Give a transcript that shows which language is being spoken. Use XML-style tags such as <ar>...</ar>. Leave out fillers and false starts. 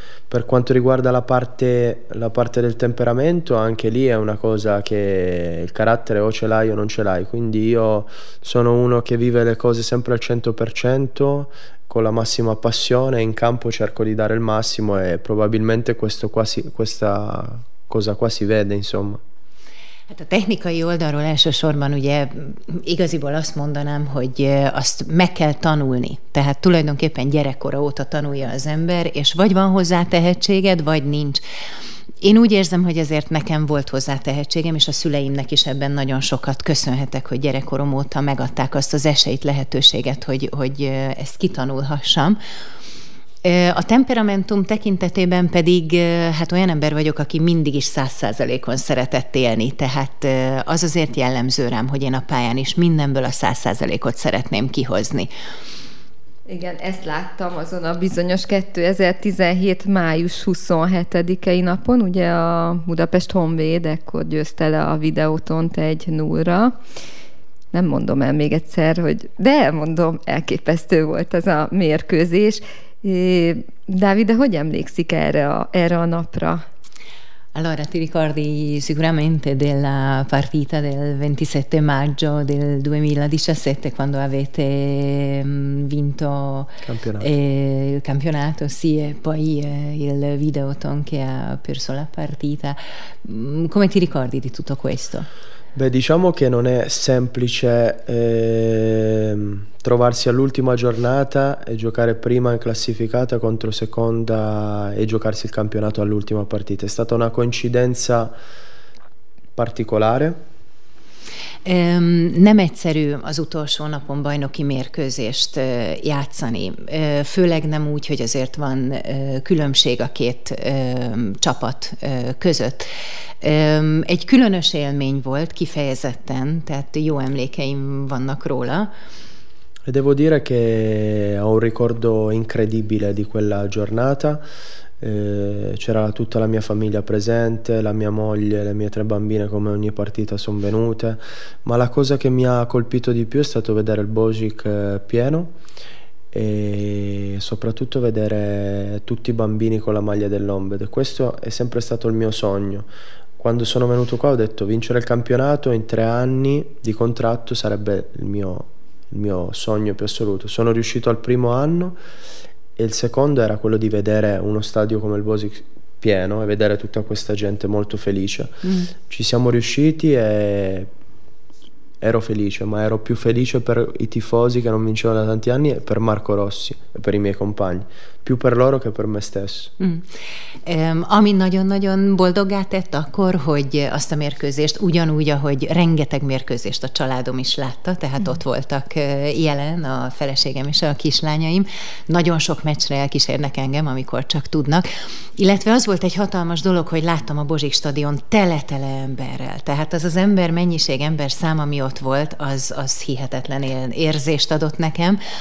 <it>Per quanto riguarda la parte del temperamento, anche lì è una cosa che il carattere o ce l'hai o non ce l'hai, quindi io sono uno che vive le cose sempre al 100%, con la massima passione, in campo cerco di dare il massimo e probabilmente questa cosa qua si vede, insomma.</it> <hu>Hát a technikai oldalról elsősorban ugye igaziból azt mondanám, hogy azt meg kell tanulni. Tehát tulajdonképpen gyerekkora óta tanulja az ember, és vagy van hozzá tehetséged, vagy nincs. Én úgy érzem, hogy azért nekem volt hozzá tehetségem, és a szüleimnek is ebben nagyon sokat köszönhetek, hogy gyerekkorom óta megadták azt az esélyt, lehetőséget, hogy ezt kitanulhassam. A temperamentum tekintetében pedig hát olyan ember vagyok, aki mindig is 100%-on szeretett élni, tehát az azért jellemző rám, hogy én a pályán is mindenből a 100%-ot szeretném kihozni. Igen, ezt láttam azon a bizonyos 2017. május 27-i napon, ugye a Budapest Honvéd ekkor győzte le a Videótont 1-0-ra. Nem mondom el még egyszer, hogy de elmondom, elképesztő volt az a mérkőzés. Dávid, de hogy emlékszik erre a napra?</hu> <it>Allora, ti ricordi sicuramente della partita del 27 maggio del 2017 quando avete vinto il campionato, sì, e poi il Videoton che ha perso la partita. Come ti ricordi di tutto questo? Beh, diciamo che non è semplice trovarsi all'ultima giornata e giocare prima in classificata contro seconda e giocarsi il campionato all'ultima partita. È stata una coincidenza particolare. Nem egyszerű az utolsó napon bajnoki mérkőzést játszani, főleg nem úgy, hogy azért van különbség a két csapat között. Egy különös élmény volt kifejezetten, tehát jó emlékeim vannak róla. E devo dire che ho un ricordo incredibile di quella giornata. C'era tutta la mia famiglia presente, la mia moglie, le mie tre bambine come ogni partita sono venute, ma la cosa che mi ha colpito di più è stato vedere il Božić pieno e soprattutto vedere tutti i bambini con la maglia dell'Honvéd. Questo è sempre stato il mio sogno. Quando sono venuto qua ho detto vincere il campionato in 3 anni di contratto sarebbe il mio sogno più assoluto. Sono riuscito al primo anno. E il secondo era quello di vedere uno stadio come il Božić pieno e vedere tutta questa gente molto felice. Ci siamo riusciti e ero felice, ma ero più felice per i tifosi che non vincevano da tanti anni e per Marco Rossi e per i miei compagni, più per loro che per me stesso.</it> <hu>Ami nagyon-nagyon boldoggá tett akkor, hogy azt a mérkőzést ugyanúgy, ahogy rengeteg mérkőzést a családom is látta, tehát ott voltak jelen a feleségem és a kislányaim, nagyon sok meccsre elkísérnek engem, amikor csak tudnak, illetve az volt egy hatalmas dolog, hogy láttam a Božić stadion tele-tele emberrel, tehát az az ember mennyiség, ember szám, ami ott volt, az hihetetlen érzést adott nekem.</hu>